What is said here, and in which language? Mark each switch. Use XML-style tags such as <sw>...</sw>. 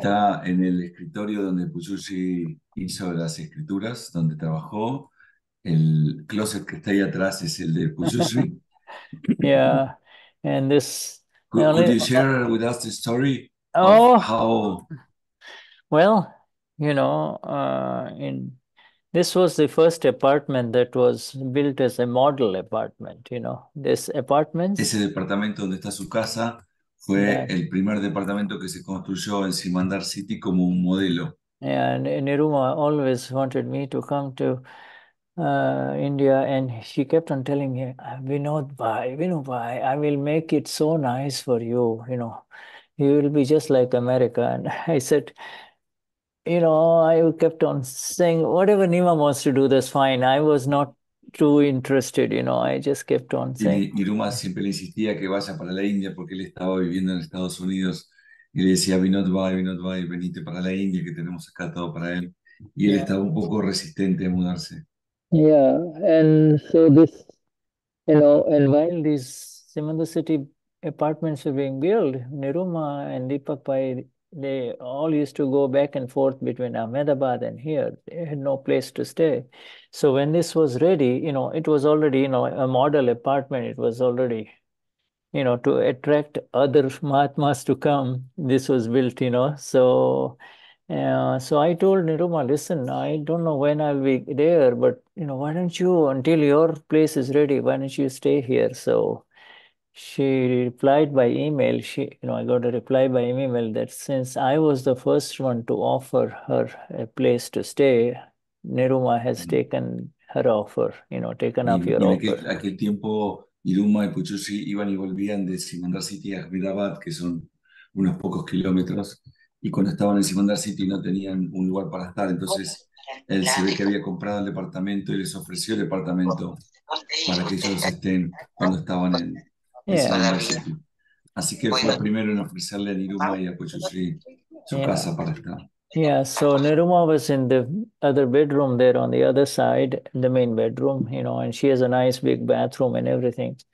<es>Está en el escritorio donde Pujya hizo las escrituras, donde trabajó. El closet que está ahí atrás es el de Pujya.</es> <en>Yeah, and this... Could you share with us the story of how... Well, you know, in this was the first apartment that was built as a model apartment, you know, this apartment.</en> <es>Ese departamento donde está su casa fue el primer departamento que se construyó en Simandar City como un modelo.</es> <en>And Niruma always wanted me to come to India, and she kept on telling me, Vinod Bhai, I will make it so nice for you, you know, you will be just like America. And I said, you know, I kept on saying, whatever Nima wants to do, that's fine. I was not too interested, you know, I just kept on saying.</en> <es>Niruma siempre le insistía que vaya para la India porque él estaba viviendo en Estados Unidos. Y le decía, Vinod Bhai, venite para la India que tenemos acá todo para él. Y él estaba un poco resistente a mudarse.</es> <en>Yeah, and so this, you know, and while these Simandar City apartments were being built, Niruma and Deepak Bhai, they all used to go back and forth between Ahmedabad and here. They had no place to stay. So when this was ready, you know, it was already, you know, a model apartment. It was already, you know, to attract other Mahatmas to come, this was built, you know. So... So I told Niruma, listen, I don't know when I'll be there, but, you know, why don't you, until your place is ready, why don't you stay here? So she replied by email. She, you know, I got a reply by email that since I was the first one to offer her a place to stay, Niruma has taken her offer, you know, taken up your offer.</en> <es>En aquel tiempo, Niruma y Pujya iban y volvían de Simandar City a Ahmedabad, que son unos pocos kilómetros. Y cuando estaban en Simandar City no tenían un lugar para estar, entonces él se ve que había comprado el departamento y les ofreció el departamento para que ellos estén cuando estaban en Simandar City. Así que fue primero en ofrecerle a Niruma y a Pujya su casa para estar.</es> <en>Yeah, so Niruma was in the other bedroom there on the other side, the main bedroom, you know, and she has a nice big bathroom and everything.</en>